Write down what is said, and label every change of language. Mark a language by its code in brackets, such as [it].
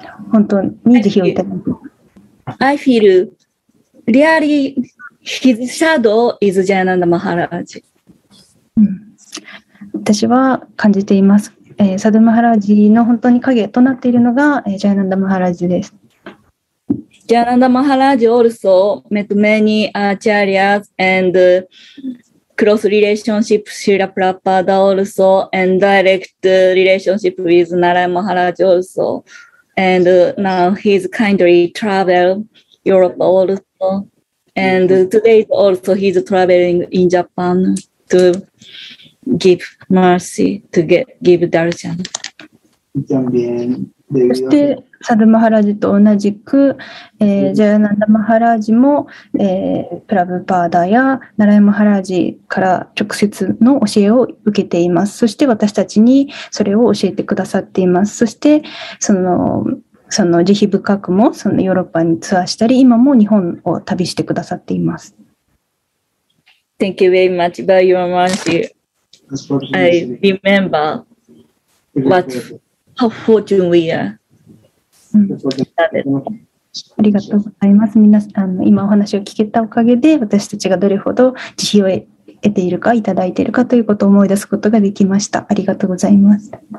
[ja] 本当に慈悲をいただき [en] ます。 I feel really his shadow is ジャナンダ・マハラージ。 [ja] 私は感じていますサドゥマハラージの本当に影となっているのがジャイナンダ・マハラージです。 [en] ジャイナンダ・マハラージ also met many acharyas and close relationship Srila Prabhupada also and direct relationship with Narayan Maharaj also and now he's kindly travel Europe also and today also he's traveling in Japan toGive mercy to give darshan. [ja] そしてサドゥマハラジと同じく、ジャイアナンダ・マハラジも、プラブパーダやナライ・マハラジから直接の教えを受けています。そして私たちにそれを教えてくださっています。そしてその慈悲深くもそのヨーロッパにツアーしたり今も日本を旅してくださっています。 [en] Thank you very much for your mercyI remember what how fortune we are. [ja] ありがとうございます。皆さん、今お話を聞けたおかげで、私たちがどれほど慈悲を得ているか、いただいているかということを思い出すことができました。ありがとうございます。